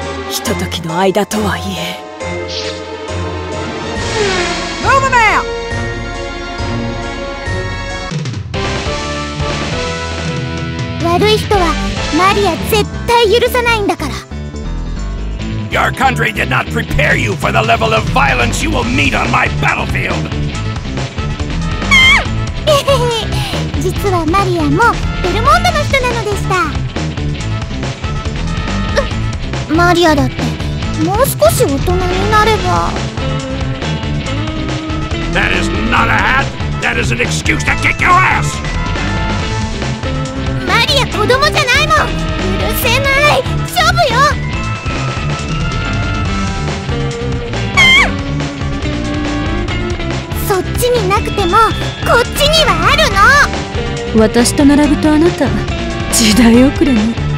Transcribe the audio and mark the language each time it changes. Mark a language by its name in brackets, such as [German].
[Japanese] ひとときの間とはいえ。ノーマメア。悪い人はマリア絶対許さないんだから。 [English] Your country did not prepare you for the level of violence you will meet on my battlefield! Ah! Hehehe! [Japanese] 実はマリアもベルモンドの人なのでした。マリアだってもう少し大人になれば。 [English] That is not a hat! That is an excuse to kick your ass! [Japanese] マリア子供じゃないもん！許せない！勝負よ！こっちになくてもこっちにはあるの。私と並ぶとあなた時代遅れに。